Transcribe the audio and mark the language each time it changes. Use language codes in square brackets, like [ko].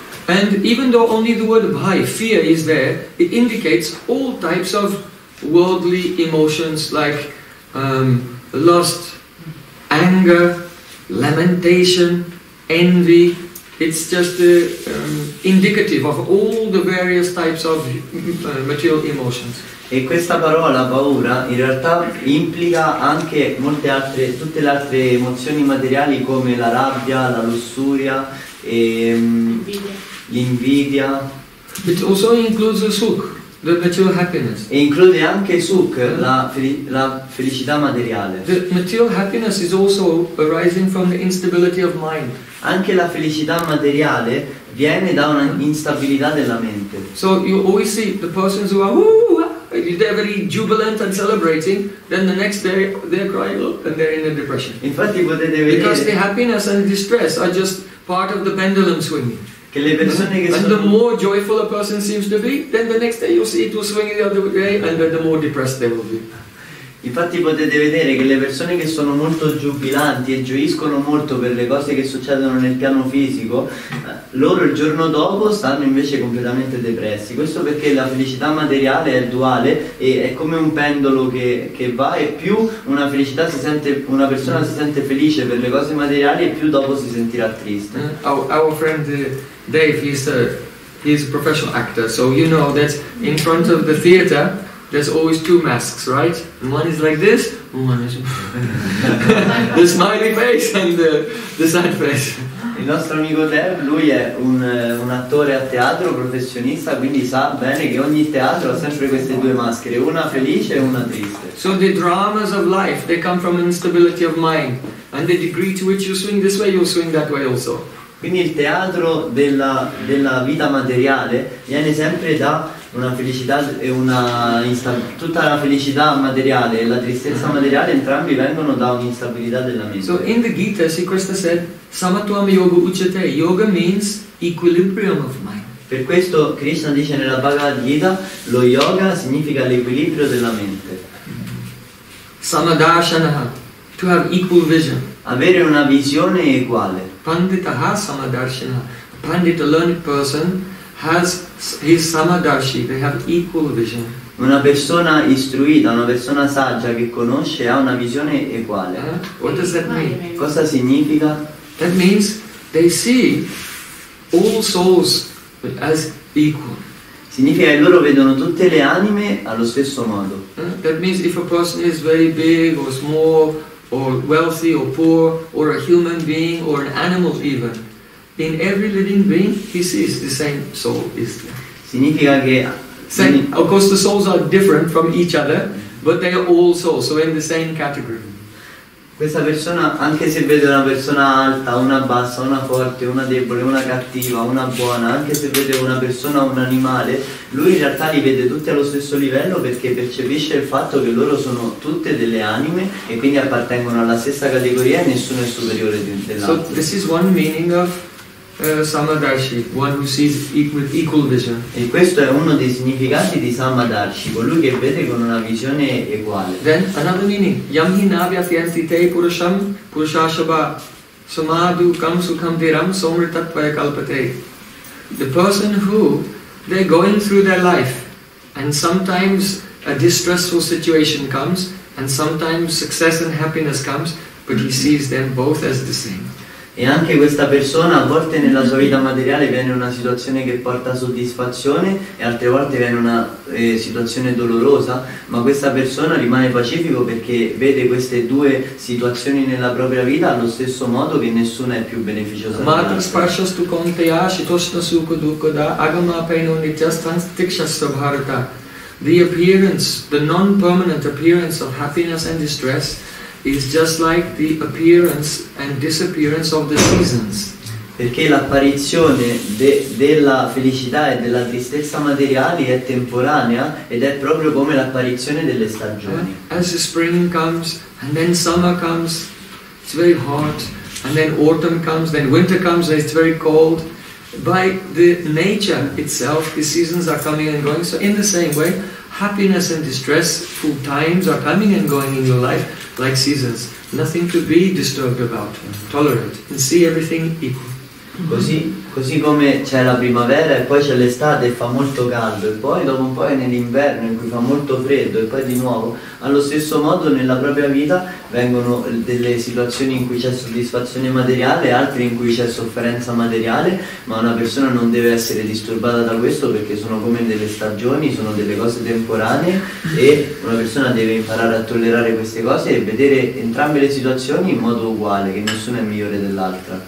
[en] And even though only the word bhai, fear, is there, it indicates all types of worldly emotions like lust, anger, lamentation, envy. It's just indicative of all the various types of material emotions. [it] E questa parola paura in realtà implica anche molte altre, tutte le altre emozioni materiali come la rabbia, la lussuria, l'invidia. [en] It also includes the sukh, the material happiness. [it] E include anche sukh, la felicità materiale. [en] The material happiness is also arising from the instability of mind. [it] Anche la felicità materiale viene da una instabilità della mente. [en] So you always see the persons who are woo, they're very jubilant and celebrating, then the next day they're crying, look, and they're in a depression. [it] Infatti potete vedere, [en] because the happiness and distress are just part of the pendulum swinging. [it] Che le persone che [en] and the more joyful a person seems to be, then the next day you'll see it will swing the other way, and then the more depressed they will be. [it] Infatti potete vedere che le persone che sono molto giubilanti e gioiscono molto per le cose che succedono nel piano fisico, loro il giorno dopo stanno invece completamente depressi. Questo perché la felicità materiale è duale e è come un pendolo che va, e più una felicità si sente, una persona si sente felice per le cose materiali, e più dopo si sentirà triste. [en] Our friend Dave, he's a professional actor, so you know that in front of the theater There's always two masks, right? One is like this, one is the smiley face and the sad face. [it] Il nostro amico Dev, lui è un attore a teatro professionista, quindi sa bene che ogni teatro ha sempre queste due maschere, una felice e una triste. [en] So the dramas of life, they come from instability of mind, and the degree to which you swing this way, you'll swing that way also. [it] Quindi il teatro della vita materiale viene sempre da una felicità e una tutta la felicità materiale e la tristezza materiale entrambi vengono da un'instabilità della mente. [en] So in the Gita Sri Krishna said [sa] Samatvam yoga uccete, [en] yoga means equilibrium of mind. [it] Per questo Krishna dice nella Bhagavad Gita lo yoga significa l'equilibrio della mente. [en] Samadarshanaha, to have equal vision. [it] Avere una visione uguale. [sa] Panditaha samadarshanaha, [en] pandita, learned person, has his samadarshi, they have equal vision. [it] Una persona istruita, una persona saggia che conosce ha una visione uguale. [en] What does that mean? [it] Cosa significa? [en] That means they see all souls as equal. [it] Significa che loro vedono tutte le anime allo stesso modo. [en] That means if a person is very big or small or wealthy or poor or a human being or an animal even, in every living being, he sees the same soul is there. [it] Significa che, [en] of course, the souls are different from each other, but they are all souls, so in the same category. [it] Questa persona, anche se vede una persona alta, una bassa, una forte, una debole, una cattiva, una buona, anche se vede una persona, un animale, lui in realtà li vede tutti allo stesso livello perché percepisce il fatto che loro sono tutte delle anime e quindi appartengono alla stessa categoria e nessuno è superiore dell'altro. [en] So this is one meaning of Samadarshi, one who sees with equal vision. [it] E questo è uno dei significati di Samadarshi, colui che vede con una visione uguale. [en] Then another meaning, [sa] Yamhi Navya Fiantite Purusham Purushashaba Samadhu Kam Sukham Viram Somritatvaya Kalpate. [en] The person who they're going through their life and sometimes a distressful situation comes and sometimes success and happiness comes, but he sees them both as the same. [it] E anche questa persona a volte nella sua vita materiale viene una situazione che porta soddisfazione e altre volte viene una situazione dolorosa, ma questa persona rimane pacifico perché vede queste due situazioni nella propria vita allo stesso modo, che nessuna è più beneficiosa. [sa] Ma ti sparsha stu conte ya shitoshna suku dukkha da agama paino nityastan tikshastra bharata. [en] The appearance, the non-permanent appearance of happiness and distress is just like the appearance and disappearance of the seasons. [it] Perché l'apparizione della felicità e della tristezza materiali è temporanea ed è proprio come l'apparizione delle stagioni. [en] As the spring comes and then summer comes, it's very hot, and then autumn comes, then winter comes and it's very cold. By the nature itself, the seasons are coming and going. So in the same way, happiness and distress, full times are coming and going in your life like seasons. Nothing to be disturbed about, tolerate, and see everything equal. [it] Così come c'è la primavera e poi c'è l'estate e fa molto caldo e poi dopo un po' è nell'inverno in cui fa molto freddo e poi di nuovo, allo stesso modo nella propria vita vengono delle situazioni in cui c'è soddisfazione materiale e altre in cui c'è sofferenza materiale, ma una persona non deve essere disturbata da questo perché sono come delle stagioni, sono delle cose temporanee e una persona deve imparare a tollerare queste cose e vedere entrambe le situazioni in modo uguale, che nessuna è migliore dell'altra.